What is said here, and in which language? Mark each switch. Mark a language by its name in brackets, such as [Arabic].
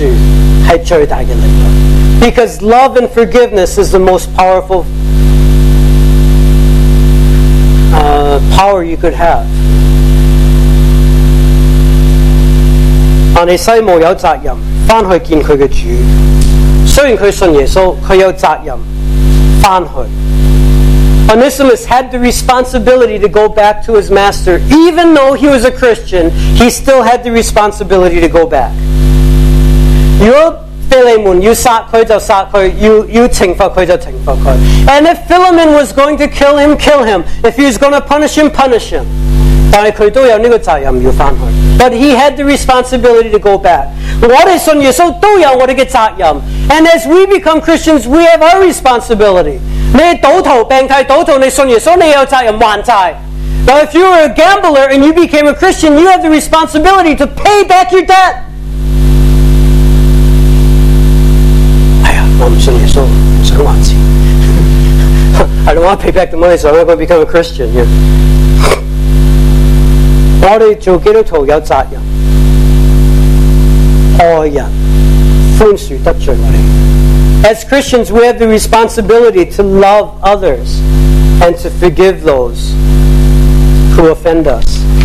[Chinese] 因为爱和宽恕是最大的力量。 [English] Because love and forgiveness is the most powerful power you could have. [Chinese] 但是西姆有责任回去见他的主。虽然他信耶稣，他有责任回去。 [English] Onesimus had the responsibility to go back to his master. Even though he was a Christian, he still had the responsibility to go back. [Chinese] 如果腓利门要杀他就杀他，要惩罚他就惩罚他。 [English] And if Philemon was going to kill him, kill him. If he was going to punish him, punish him. [Chinese] 但是他都有这个责任要回去。 [English] But he had the responsibility to go back. [Chinese] 我们信耶稣都有我们的责任。 [English] And as we become Christians, we have our responsibility. [Chinese] 你是赌徒，病态赌徒，你信耶稣，你有责任还债。 [English] But if you were a gambler and you became a Christian, you have the responsibility to pay back your debt. [Chinese] 哎呀，我不信耶稣，不想还钱。 [English] I don't want to pay back the money, so I'm not going to become a Christian. Yeah. [Chinese] 我们做基督徒有责任爱人宽恕得罪我们。 [English] As Christians, we have the responsibility to love others and to forgive those who offend us.